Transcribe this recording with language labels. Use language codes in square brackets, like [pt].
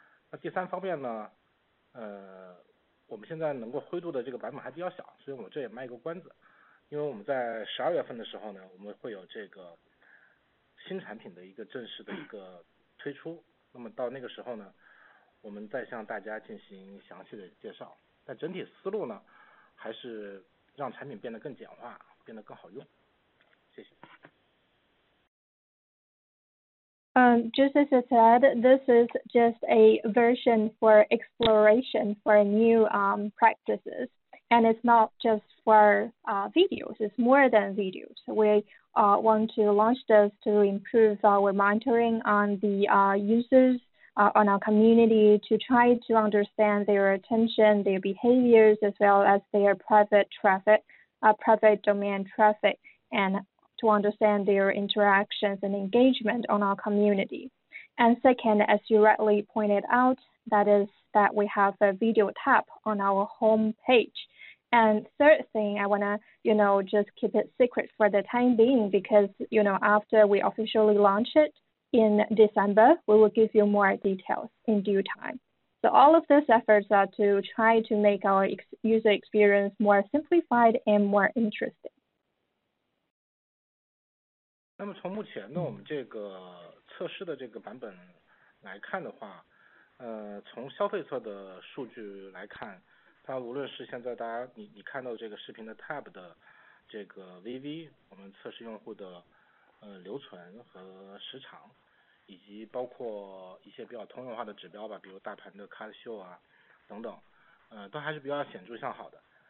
[zh] 那第三方面呢，我们现在能够灰度的这个版本还比较小，所以我这也卖一个关子，因为我们在十二月份的时候呢，我们会有这个新产品的一个正式的一个推出，那么到那个时候呢，我们再向大家进行详细的介绍。但整体思路呢，还是让产品变得更简化，变得更好用。谢谢。 [en] Just as I said, this is just a version for exploration for new practices, and it's not just for videos, it's more than videos. We want to launch this to improve our monitoring on the users, on our community, to try to understand their attention, their behaviors, as well as their private traffic, private domain traffic, and to understand their interactions and engagement on our community. And second, as you rightly pointed out, that is that we have a video tab on our home page. And third thing, I wanna, you know, just keep it secret for the time being, because, you know, after we officially launch it in December, we will give you more details in due time. So all of those efforts are to try to make our user experience more simplified and more interesting. [zh] 那么从目前呢，我们这个测试的这个版本来看的话，从消费侧的数据来看，它无论是现在大家你看到这个视频的 tab 的这个 VV， 我们测试用户的留存和时长，以及包括一些比较通用化的指标吧，比如大盘的 cart show 啊等等，都还是比较显著向好的。